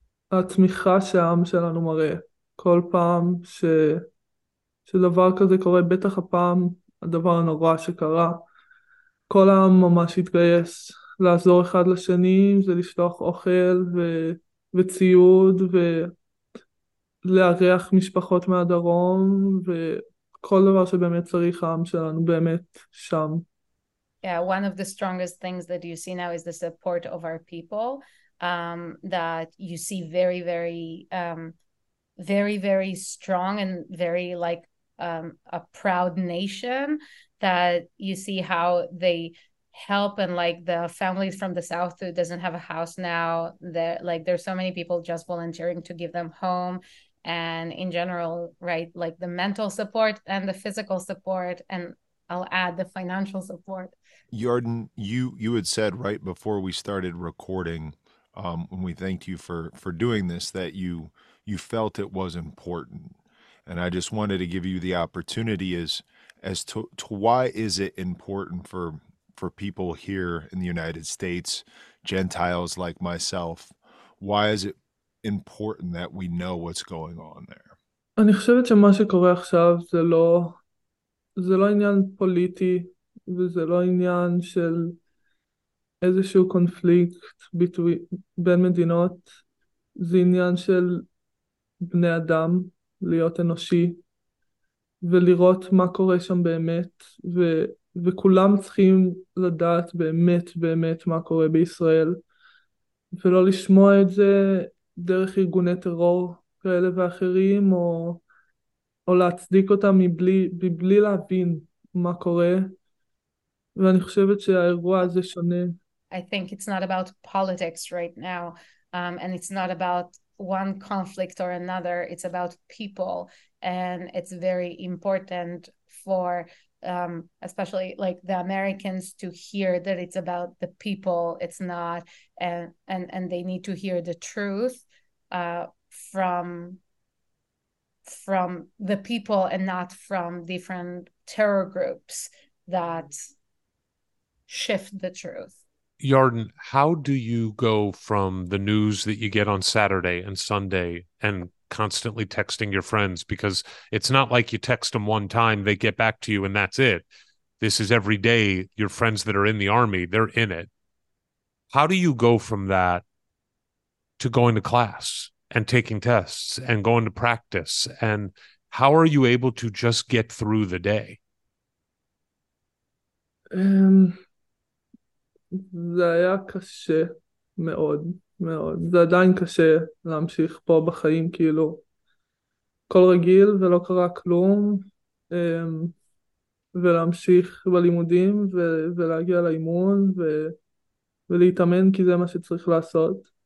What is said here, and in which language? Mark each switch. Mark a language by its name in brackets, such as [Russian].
[Hebrew] התמיכה שהעם שלנו מראה כל פעם שדבר כזה קורה, בטח הפעם הדבר הנורא שקרה, כל העם ממש התגייס לעזור אחד לשני, זה לשלוח אוכל וציוד ולארח משפחות מהדרום, וכל דבר שבאמת צריך העם שלנו באמת שם. [English] Yeah, one of the strongest things that you see now is the support of our people. That you see very, very, very, very strong and very like a proud nation, that you see how they help, and like the families from the south who doesn't have a house now, that like there's so many people just volunteering to give them home, and in general, right, like the mental support and the physical support, and I'll add the financial support. Yarden, you had said right before we started recording, when we thanked you for doing this, that you felt it was important. And I just wanted to give you the opportunity as to why is it important for people here in the United States, Gentiles like myself, why is it important that we know what's going on there? [Hebrew] אני חושבת שמה שקורה עכשיו זה לא עניין פוליטי, וזה לא עניין של איזשהו קונפליקט בין מדינות, זה עניין של בני אדם, להיות אנושי, ולראות מה קורה שם באמת, וכולם צריכים לדעת באמת באמת מה קורה בישראל, ולא לשמוע את זה דרך ארגוני טרור כאלה ואחרים, או להצדיק אותם מבלי להבין מה קורה, ואני חושבת שהאירוע הזה שונה. [English] I think it's not about politics right now, and it's not about one conflict or another. It's about people, and it's very important for especially like the Americans to hear that it's about the people. It's not, and they need to hear the truth from the people, and not from different terror groups that shift the truth. Yarden, how do you go from the news that you get on Saturday and Sunday and constantly texting your friends? Because it's not like you text them one time, they get back to you, and that's it. This is every day your friends that are in the army, they're in it. How do you go from that to going to class and taking tests and going to practice? And how are you able to just get through the day? [Hebrew] זה היה קשה מאוד מאוד, זה עדיין קשה להמשיך פה בחיים כאילו כל רגיל ולא קרה כלום, ולהמשיך בלימודים ולהגיע לאימון ולהתאמן, כי זה מה שצריך לעשות,